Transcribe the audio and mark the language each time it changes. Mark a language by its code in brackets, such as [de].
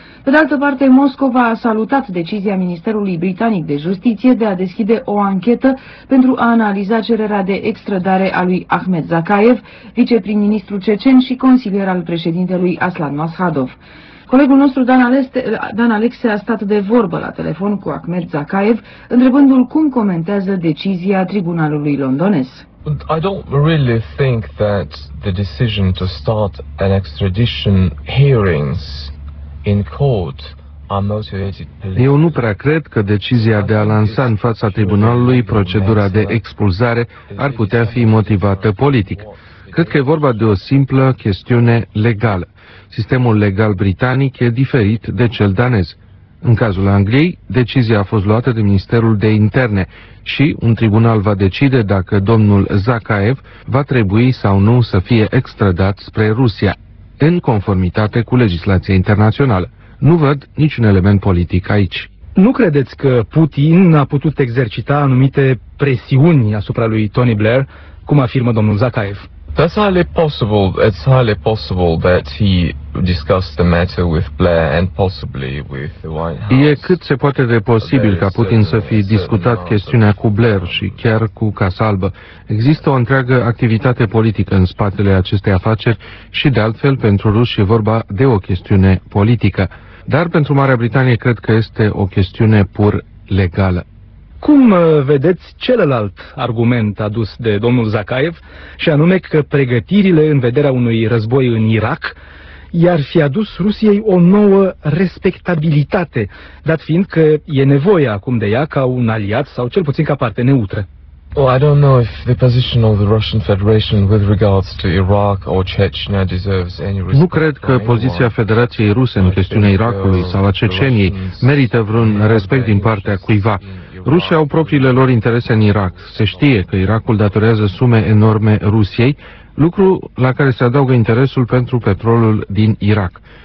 [ro] Pe de altă parte, Moscova a salutat decizia Ministerului Britanic de Justiție de a deschide o anchetă pentru a analiza cererea de extrădare a lui Ahmed Zakaev, viceprim-ministru cecen și consilier al președintelui Aslan Maschadov. Colegul nostru Dan Alexe a stat de vorbă la telefon cu Ahmed Zakaev, întrebându-l cum comentează decizia tribunalului londonez. [en] I don't really think that the decision to start an extradition hearings in court are motivated. [ro] Eu nu prea cred că decizia de a lansa în fața tribunalului procedura de expulzare ar putea fi motivată politic. Cred că e vorba de o simplă chestiune legală. Sistemul legal britanic e diferit de cel danez. În cazul Angliei, decizia a fost luată de Ministerul de Interne și un tribunal va decide dacă domnul Zakaev va trebui sau nu să fie extradat spre Rusia, în conformitate cu legislația internațională. Nu văd niciun element politic aici. Nu credeți că Putin a putut exercita anumite presiuni asupra lui Tony Blair, cum afirmă domnul Zakaev? [en] That's highly possible. It's highly possible that he discussed the matter with Blair and possibly with the White House. [ro] E cât se poate de posibil ca Putin să fi discutat chestiunea cu Blair și chiar cu Casa Albă. Există o întreagă activitate politică în spatele acestei afaceri și de altfel pentru ruși e vorba de o chestiune politică. Dar pentru Marea Britanie cred că este o chestiune pur legală. Cum vedeți celălalt argument adus de domnul Zakaev, și anume că pregătirile în vederea unui război în Irak i-ar fi adus Rusiei o nouă respectabilitate, dat fiind că e nevoie acum de ea ca un aliat sau cel puțin ca parte neutră? [en] Well, I don't know if the position of the Russian Federation with regards to Iraq or Chechnya deserves any respect. [ro] Nu cred că poziția Federației Ruse în chestiunea Irakului sau a Ceceniei merită vreun respect din partea cuiva. Rușii au propriile lor interese în Irak. Se știe că Irakul datorează sume enorme Rusiei, lucru la care se adaugă interesul pentru petrolul din Irak.